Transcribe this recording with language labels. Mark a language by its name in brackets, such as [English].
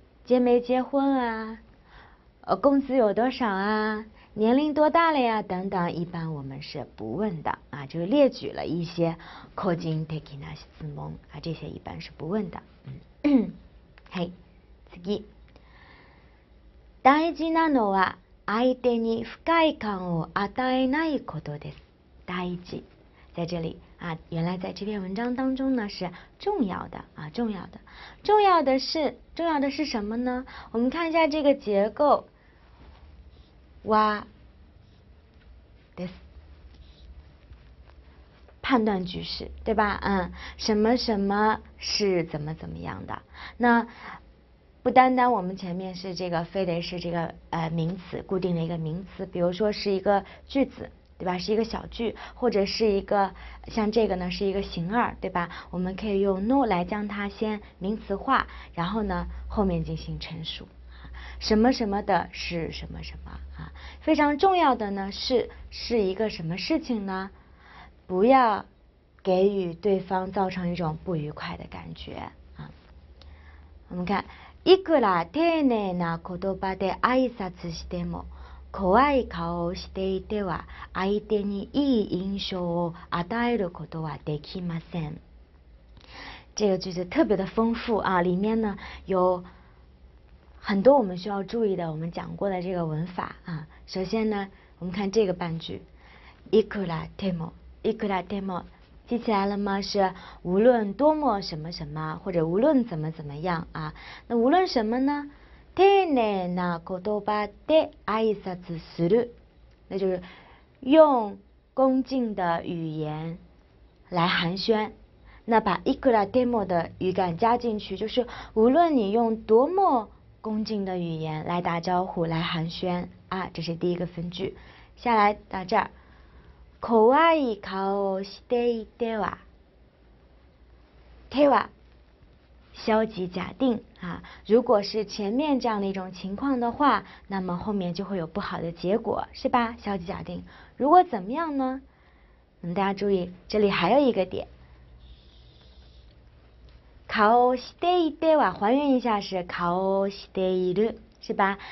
[Chinese] 结没结婚啊？工资有多少啊？年龄多大了呀？等等，一般我们是不问的啊，就列举了一些個人的那些質問啊，这些一般是不问的。嘿，次。 [Japanese] 大事なのは相手に不快感を与えないことです。大事。 [Chinese] 在这里啊，原来在这篇文章当中呢是重要的啊，重要的，重要的是什么呢？我们看一下这个结构，哇。です。判断句式，对吧？什么什么是怎么怎么样的？那不单单我们前面是这个，非得是这个名词，固定的一个名词，比如说是一个句子。对吧？是一个小句，或者是一个像这个呢，是一个形而，对吧？我们可以用 no 来将它先名词化，然后呢，后面进行陈述。什么什么的是什么什么啊？非常重要的呢，是一个什么事情呢？不要给予对方造成一种不愉快的感觉啊。我们看， [Japanese] いくら丁寧な言葉で挨拶しても。怖い顔をしていては、相手にいい印象を与えることはできません。 [Chinese] 这个句子特别的丰富啊，里面呢有很多我们需要注意的，我们讲过的这个文法啊。首先呢，我们看这个半句，いくらでも、いくらでも，记起来了吗？是无论多么什么什么，或者无论怎么怎么样啊。那无论什么呢？ [Japanese] 丁寧な言葉で挨拶する， [Chinese] 那就是用恭敬的语言来寒暄。那把いくらでも的语感加进去，就是无论你用多么恭敬的语言来打招呼、来寒暄啊。这是第一个分句。下来到这儿， [Japanese] 怖い顔をしていては、では。 [Chinese] 消极假定啊，如果是前面这样的一种情况的话，那么后面就会有不好的结果，是吧？消极假定。如果怎么样呢？那么大家注意，这里还有一个点， [Japanese] 顔をしていては， [Chinese] 还原一下是 [Japanese] 顔をしている， [Chinese] 是吧？